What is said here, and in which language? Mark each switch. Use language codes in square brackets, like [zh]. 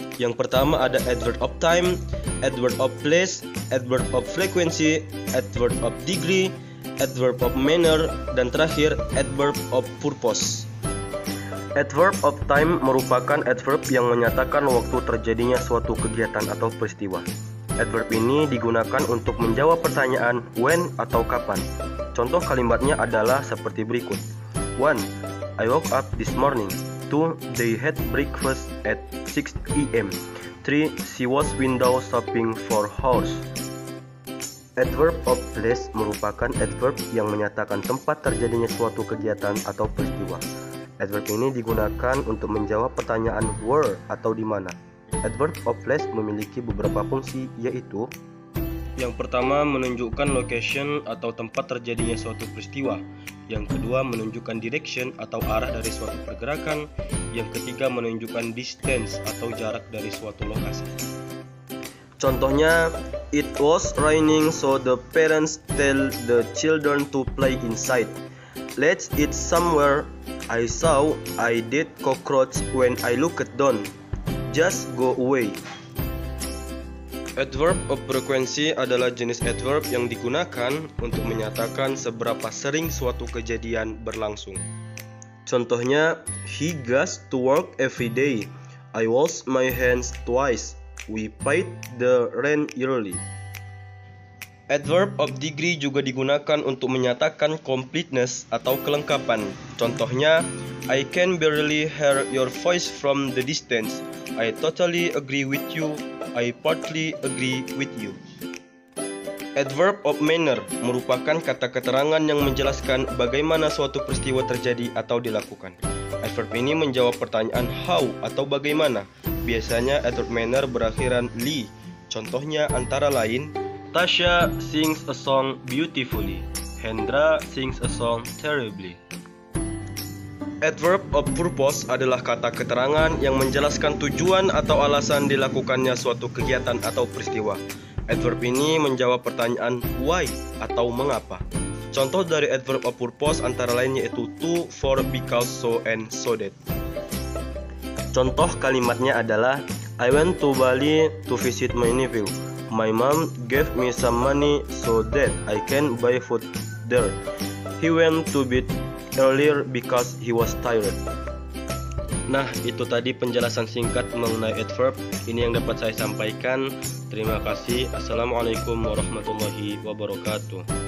[id] Yang pertama ada adverb of time, adverb of place, adverb of frequency, adverb of degree, adverb of manner, dan terakhir adverb of purpose. Adverb of time merupakan adverb yang menyatakan waktu terjadinya suatu kegiatan atau peristiwa. Adverb ini digunakan untuk menjawab pertanyaan when atau kapan. Contoh kalimatnya adalah seperti berikut. [en] 1. I woke up this morning. 2. They had breakfast at 6 a.m. 3. She was window shopping for hours. [id] Adverb of place merupakan adverb yang menyatakan tempat terjadinya suatu kegiatan atau peristiwa. Adverb ini digunakan untuk menjawab pertanyaan where atau di mana. Adverb of place memiliki beberapa fungsi, yaitu yang pertama, menunjukkan location atau tempat terjadinya suatu peristiwa. Yang kedua, menunjukkan direction atau arah dari suatu pergerakan. Yang ketiga, menunjukkan distance atau jarak dari suatu lokasi. [en] Contohnya, it was raining so the parents tell the children to play inside. Let's eat somewhere. I saw a dead cockroach when I looked down. Just go away. [id] Adverb of frequency adalah jenis adverb yang digunakan untuk menyatakan seberapa sering suatu kejadian berlangsung. [en] Contohnya, he goes to work every day. I wash my hands twice. We paid the rent yearly. [id] Adverb of degree juga digunakan untuk menyatakan completeness atau kelengkapan. [en] Contohnya, I can barely hear your voice from the distance. I totally agree with you. I partly agree with you. [id] Adverb of manner merupakan kata keterangan yang menjelaskan bagaimana suatu peristiwa terjadi atau dilakukan. Adverb ini menjawab pertanyaan how atau bagaimana. Biasanya adverb manner berakhiran li. Contohnya antara lain, [en] Tasha sings a song beautifully. Hendra sings a song terribly. [id] Adverb of purpose adalah kata keterangan yang menjelaskan tujuan atau alasan dilakukannya suatu kegiatan atau peristiwa. Adverb ini menjawab pertanyaan why atau mengapa. Contoh dari adverb of purpose antara lain yaitu to, for, because, so, and so that. Contoh kalimatnya adalah [en] I went to Bali to visit my nephew. My mom gave me some money so that I can buy food there. He went to bed earlier because he was tired. [id] Nah, itu tadi penjelasan singkat mengenai adverb. Ini yang dapat saya sampaikan. Terima kasih. Assalamualaikum warahmatullahi wabarakatuh.